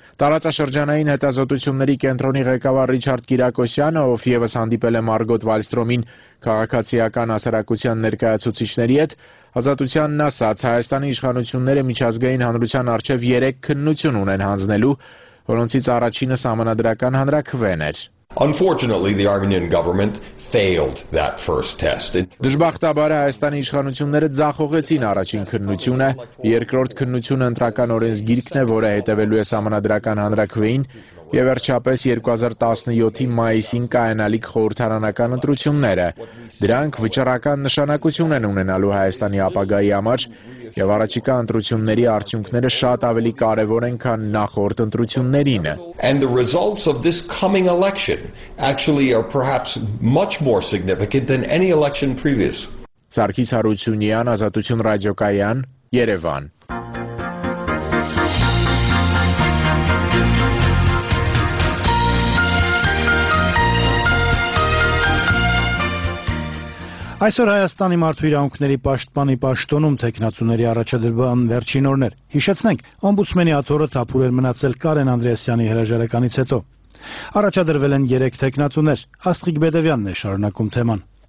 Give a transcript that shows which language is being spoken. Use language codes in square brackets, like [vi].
[hy] Տարածաշրջանային հետազոտությունների կենտրոնի ղեկավար Ռիչարդ Կիրակոսյանը, ով ևս հանդիպել է Մարգոտ Վալստրոմին քաղաքացիական հասարակության ներկայացուցիչների հետ, ազատությանն ասաց, Հայաստանի իշխանությունները միջազգային հանրության առջև 3 քննություն ունեն հանձնելու, որոնցից առաջինը սահմանադրական հանրաքվեն էր. [en] Unfortunately, the Armenian government failed that first test. [hy] Դժբախտաբար Հայաստանի իշխանությունները ձախողեցին առաջին քննությունը, երկրորդ քննությունը ընտրական օրենսգիրքն է, որը հետևելու է սահմանադրական հանրաքվեին, եւ վերջապես 2017-ի մայիսին կայանալիք խորհրդարանական ընտրությունները։ Դրանք վճռական նշանակություն են ունենալու Հայաստանի ապագայի համար, եւ առաջիկա ընտրությունների արդյունքները շատ ավելի կարևոր են, քան նախորդ ընտրություններին։ [en] And the results of this coming election actually are perhaps much more significant than any election previous. [hy] Սարգիս Հարությունյան, Ազատություն ռադիոկայան, Երևան։ Այսօր Հայաստանի մարդու իրավունքների պաշտպանի պաշտոնում թեկնածուների առաջադրման վերջին օրն էր։ Հիշեցնենք, օմբուդսմենի աթոռը թափուր էր մնացել Կարեն Անդրեասյանի հրաժարականից հետո։ Առաջադրվել են 3 թեկնածուներ։ Աստղիկ Բեդևյանն է շարունակում թեման։